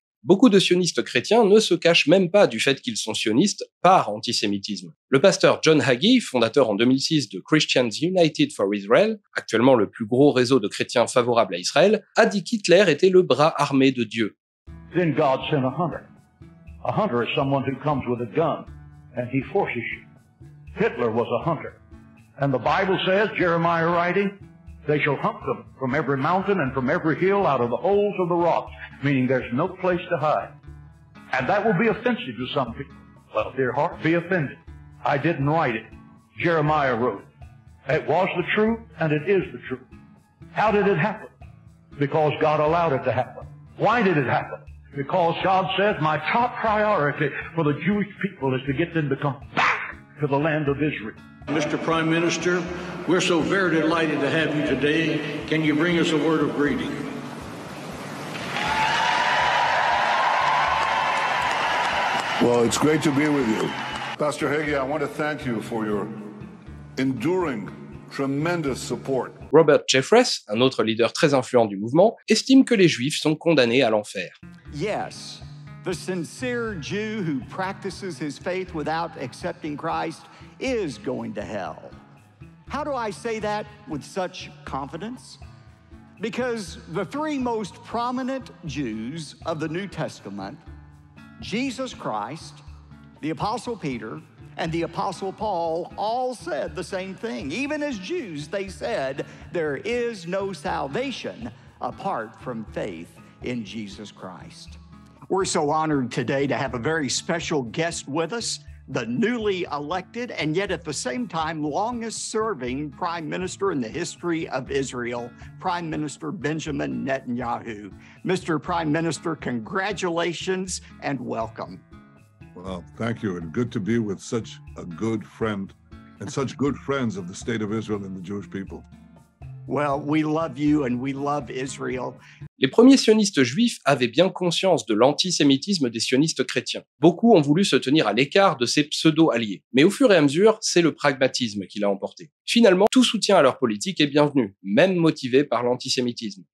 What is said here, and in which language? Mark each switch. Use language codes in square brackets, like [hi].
[fr] Beaucoup de sionistes chrétiens ne se cachent même pas du fait qu'ils sont sionistes par antisémitisme. Le pasteur John Hagee, fondateur en 2006 de Christians United for Israel, actuellement le plus gros réseau de chrétiens favorables à Israël, a dit qu'Hitler était le bras armé de Dieu. [en] Then God sent a hunter. A hunter is someone who comes with a gun and he forces you. Hitler was a hunter. And the Bible says, Jeremiah writing, they shall hunt them from every mountain and from every hill out of the holes of the rocks, meaning there's no place to hide. And that will be offensive to some people. Well, dear heart, be offended. I didn't write it. Jeremiah wrote it. It was the truth, and it is the truth. How did it happen? Because God allowed it to happen. Why did it happen? Because God said, my top priority for the Jewish people is to get them to come back to the land of Israel. Mr. Prime Minister, we're so very delighted to have you today. Can you bring us a word of greeting? Well, it's great to be with you. Pastor Hagee, I want to thank you for your enduring, tremendous support. [fr] Robert Jeffress, un autre leader très influent du mouvement, estime que les Juifs sont condamnés à l'enfer. [en] Yes, the sincere Jew who practices his faith without accepting Christ is going to hell. How do I say that with such confidence? Because the three most prominent Jews of the New Testament, Jesus Christ, the Apostle Peter, and the Apostle Paul, all said the same thing. Even as Jews, they said, there is no salvation apart from faith in Jesus Christ. We're so honored today to have a very special guest with us, the newly elected and yet at the same time longest serving prime minister in the history of Israel, Prime Minister Benjamin Netanyahu. Mr. Prime Minister, congratulations and welcome. Well, thank you, and good to be with such a good friend and such good friends of the state of Israel and the Jewish people. Well, we love you and we love Israel. [fr] Les premiers sionistes juifs avaient bien conscience de l'antisémitisme des sionistes chrétiens. Beaucoup ont voulu se tenir à l'écart de ces pseudo-alliés. Mais au fur et à mesure, c'est le pragmatisme qui l'a emporté. Finalement, tout soutien à leur politique est bienvenu, même motivé par l'antisémitisme.